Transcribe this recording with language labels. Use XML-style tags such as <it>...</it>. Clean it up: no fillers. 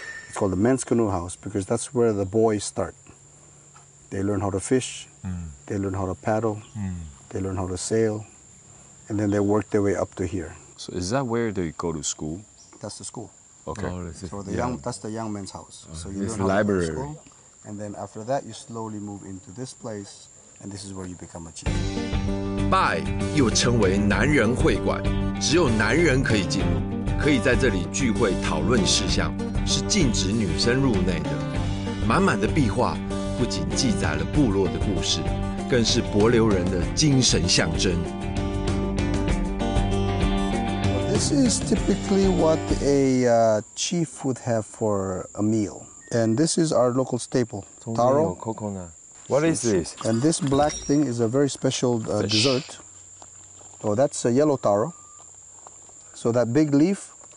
<en>It's called the men's canoe house because that's where the boys start. They learn how to fish,they learn how to paddle,they learn how to sail, and then they work their way up to here. So is that where they go to school? That's the school. Okay. That's the young men's house. So you learn how to go to school. It's library. And then after that, you slowly move into this place, and this is where you become a chief.</en> <zh>Bai, 又称为男人会馆，只有男人可以进入，可以在这里聚会讨论事项，是禁止女生入内的。满满的壁画不仅记载了部落的故事，更是帛琉人的精神象征。</zh> <en>This is typically what a chief would have for a meal. And this is our local staple, taro. Coconut. What is this? And this black thing is a very special dessert. Oh, that's a yellow taro. So that big leaf.</en>